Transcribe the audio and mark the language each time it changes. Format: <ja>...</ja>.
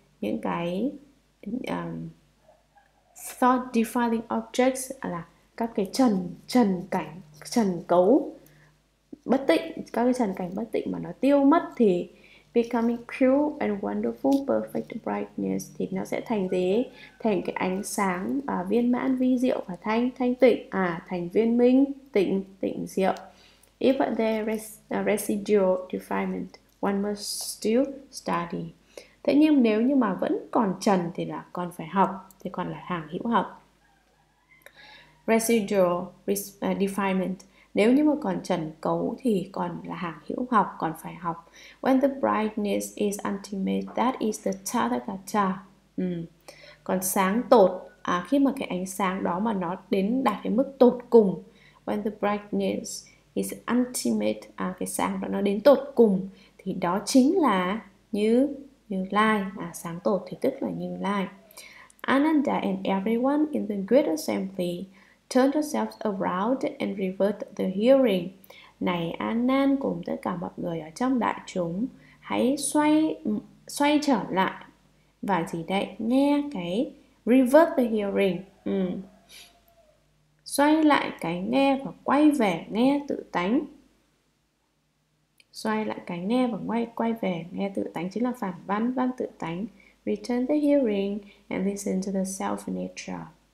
<vi>Những cái</vi> <en>thought defiling objects</en> <vi>là các cái trần trần cảnh trần cấu bất tịnh, các cái trần cảnh bất tịnh mà nó tiêu mất thì</vi> <en>becoming pure and wonderful perfect brightness,</en> <vi>thì nó sẽ thành gì? Thành cái ánh sáng viên mãn vi diệu và thanh thanh tịnh. À, thành viên minh tịnh tịnh diệu.</vi> <en>If there is residual defilement, one must still study.</en> <vi>Thế nhưng nếu như mà vẫn còn trần thì là còn phải học, thì còn là hàng hữu học.</vi> <en>Residual defilement.</en> <vi>Nếu như mà còn trần cấu thì còn là hàng hữu học, còn phải học.</vi> <en>When the brightness is ultimate, that is the tathagata.</en> <vi>Còn sáng tột, khi mà cái ánh sáng đó mà nó đến đạt cái mức tột cùng,</vi> <en>when the brightness is ultimate,</en> <vi>cái sáng đó nó đến tột cùng, thì đó chính là Như Như Lai. Sáng tột thì tức là Như Lai.</vi> <en>Ananda and everyone in the great assembly turn yourselves around and revert the hearing.</en> <vi>Này Anan, cùng tất cả mọi người ở trong đại chúng, hãy xoay xoay trở lại và gì đấy, nghe cái</vi> <en>revert the hearing.</en> <vi>Xoay lại cái nghe và quay về nghe tự tánh. Xoay lại cái nghe và quay về nghe tự tánh chính là phản văn, văn tự tánh.</vi> <en>Return the hearing and listen to the self nature.</en>